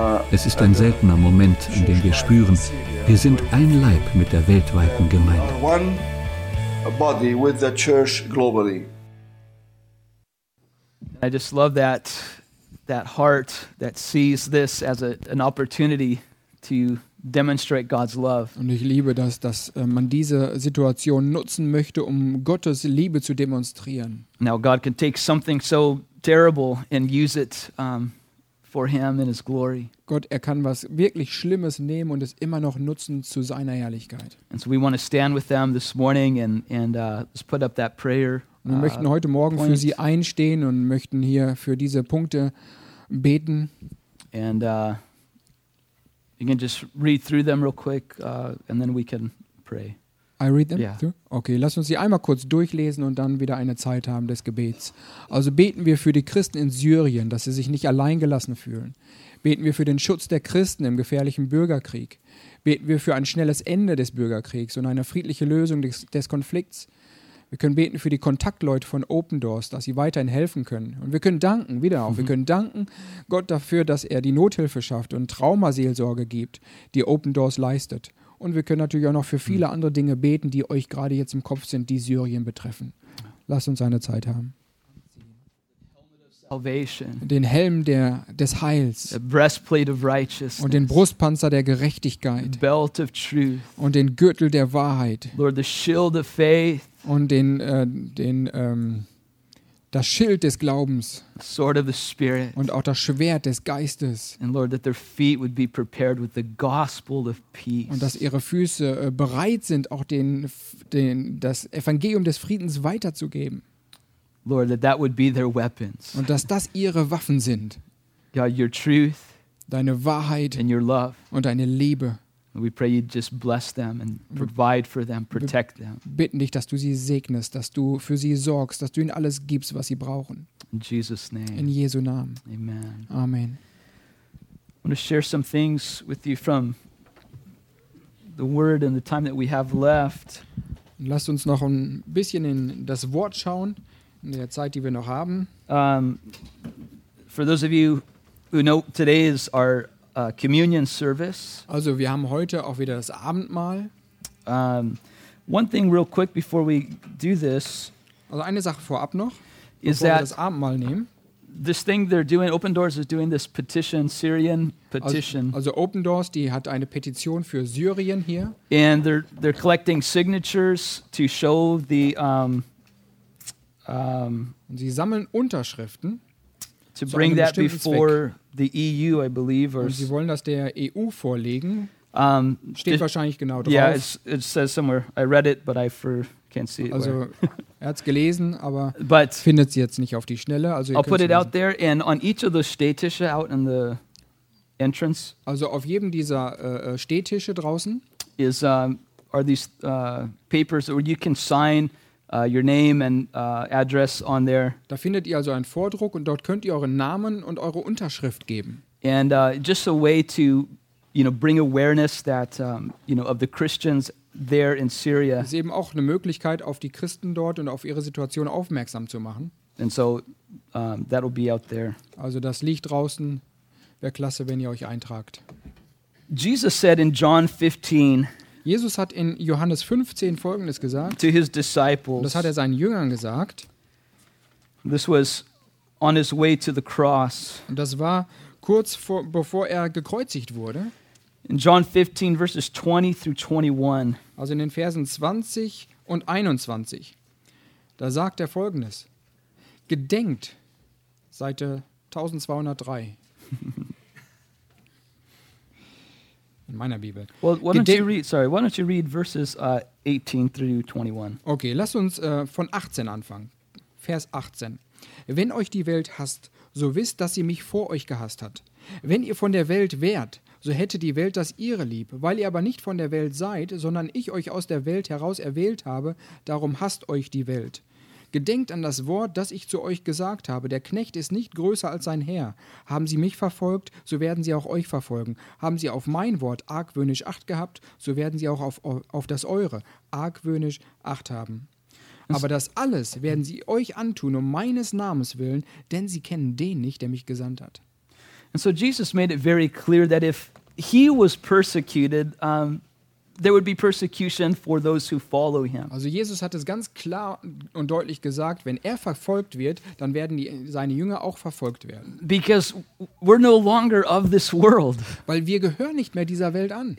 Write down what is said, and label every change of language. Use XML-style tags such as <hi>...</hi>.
<de>Es ist ein seltener Moment, in dem wir spüren, wir sind ein Leib mit der weltweiten Gemeinde.</de> <en>I just love that heart that sees this as an opportunity to demonstrate God's love.</en> <de>Und ich liebe das, dass man diese Situation nutzen möchte, um Gottes Liebe zu demonstrieren.</de> <en>Now God can take something so terrible and use it for him in his glory.</en> <de>Gott, er kann was wirklich Schlimmes nehmen und es immer noch nutzen zu seiner Herrlichkeit.</de> <en>And so we want to stand with them this morning and just put up that prayer.</en> <de>Wir möchten heute Morgen für sie einstehen und möchten hier für diese Punkte beten.</de> <en>And you can just read through them real quick and then we can pray. I read them? Yeah.</en> <de>Okay, lass uns sie einmal kurz durchlesen und dann wieder eine Zeit haben des Gebets. Also beten wir für die Christen in Syrien, dass sie sich nicht alleingelassen fühlen. Beten wir für den Schutz der Christen im gefährlichen Bürgerkrieg. Beten wir für ein schnelles Ende des Bürgerkriegs und eine friedliche Lösung des Konflikts. Wir können beten für die Kontaktleute von Open Doors, dass sie weiterhin helfen können. Und wir können danken, wir können danken Gott dafür, dass er die Nothilfe schafft und Traumaseelsorge gibt, die Open Doors leistet. Und wir können natürlich auch noch für viele andere Dinge beten, die euch gerade jetzt im Kopf sind, die Syrien betreffen. Lasst uns eine Zeit haben. Den Helm des Heils.</de> <en>The breastplate of righteousness.</en> <de>Und den Brustpanzer der Gerechtigkeit.</de> <en>The belt of truth.</en> <de>Und den Gürtel der Wahrheit.</de> <en>Lord, the shield of faith.</en> <de>Und das Schild des Glaubens.</de> <en>Sword of the Spirit.</en> <de>Und auch das Schwert des Geistes.</de> <en>And Lord, that their feet would be prepared with the gospel of peace.</en> <de>Und dass ihre Füße bereit sind, auch das Evangelium des Friedens weiterzugeben.</de> <en>Lord, that would be their weapons.</en> <de>Und dass das ihre Waffen sind.</de> <en>God, your truth.</en> <de>Deine Wahrheit.</de> <en>And your love.</en> <de>Und deine Liebe.</de> <en>We pray you just bless them and provide for them, protect them.</en> <de>Bitten dich, dass du sie segnest, dass du für sie sorgst, dass du ihnen alles gibst, was sie brauchen.</de> <en>In Jesus' name.</en> <de>In Jesu Namen.</de> <en>Amen.</en> <de>Amen.</de> <en>I want to share some things with you from the Word and the time that we have left.</en> <de>Lasst uns noch ein bisschen in das Wort schauen, in der Zeit, die wir noch haben.</de> <en>For those of you who know, today is our communion service.</en> <de>Also, wir haben heute auch wieder das Abendmahl.</de> <en>One thing real quick before we do this.</en> <de>Also eine Sache vorab noch, bevor wir das Abendmahl nehmen.</de> <en>This thing they're doing, Open Doors is doing this petition, Syrian petition.</en> <de>Also Open Doors, die hat eine Petition für Syrien hier.</de> <en>And they're collecting signatures to show the</en> <de>und sie sammeln Unterschriften.</de> <en>To bring that before the EU, I believe, or</en> <de>sie wollen das der EU vorlegen. Steht wahrscheinlich genau drauf.</de> <en>Yeah, it says somewhere. I read it, but can't see it.</en> <de>Also, hat's gelesen, aber</de> <en>but</en> <de>findet's jetzt nicht auf die Schnelle. Also,</de> <en>I'll put it out there and on each of those Stehtische out in the entrance.</en> <de>Also, auf jedem dieser Stehtische draußen</de> <en>are these papers where you can sign. Your name and address on there.</en> <de>Da findet ihr also einen Vordruck und dort könnt ihr euren Namen und eure Unterschrift geben.</de> <en>And just a way to, you know, bring awareness that, you know, of the Christians there in Syria.</en> <de>Ist eben auch eine Möglichkeit, auf die Christen dort und auf ihre Situation aufmerksam zu machen.</de> <en>And so That'll be out there.</en> <de>Also das Licht draußen. Wäre klasse, wenn ihr euch eintragt.</de> <en>Jesus said in John 15.</en> <de>Jesus hat in Johannes 15 Folgendes gesagt.</de> <en>To his disciples.</en> <de>Das hat er seinen Jüngern gesagt.</de> <en>This was on his way to the cross.</en> <de>Und das war kurz vor, bevor er gekreuzigt wurde.</de> <en>In John 15 verses 20 through 21.</en> <de>Also in den Versen 20 und 21. Da sagt er Folgendes. Gedenkt, Seite 1203. In meiner Bibel.</de> <en>Well, why don't you read, sorry, why don't you read verses 18 through 21.</en> <de>Okay, lass uns von 18 anfangen. Vers 18. Wenn euch die Welt hasst, so wisst, dass sie mich vor euch gehasst hat. Wenn ihr von der Welt wärt, so hätte die Welt das ihre lieb. Weil ihr aber nicht von der Welt seid, sondern ich euch aus der Welt heraus erwählt habe, darum hasst euch die Welt. Gedenkt an das Wort, das ich zu euch gesagt habe. Der Knecht ist nicht größer als sein Herr. Haben sie mich verfolgt, so werden sie auch euch verfolgen. Haben sie auf mein Wort argwöhnisch Acht gehabt, so werden sie auch auf das eure argwöhnisch Acht haben. Aber das alles werden sie euch antun, um meines Namens willen, denn sie kennen den nicht, der mich gesandt hat.</de> <en>And so Jesus made it very clear that if he was persecuted, there would be persecution for those who follow him.</en> <de>Also Jesus hat es ganz klar und deutlich gesagt, wenn er verfolgt wird, dann werden seine Jünger auch verfolgt werden.</de> <en>Because we're no longer of this world.</en> <de>Weil wir gehören nicht mehr dieser Welt an.</de>